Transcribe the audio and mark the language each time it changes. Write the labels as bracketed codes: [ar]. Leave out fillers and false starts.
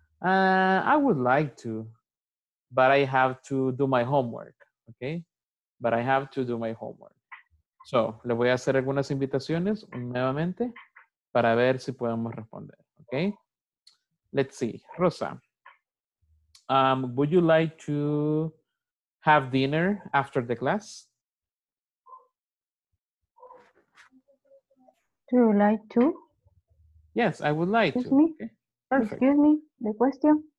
[en] I would like to, but I have to do my homework, ok, but I have to do my homework. [es] So, le voy a hacer algunas invitaciones nuevamente para ver si podemos responder, ¿ok? [en] Let's see. Rosa, would you like to have dinner after the class? Do you like to? Yes, I would like Excuse me, the question.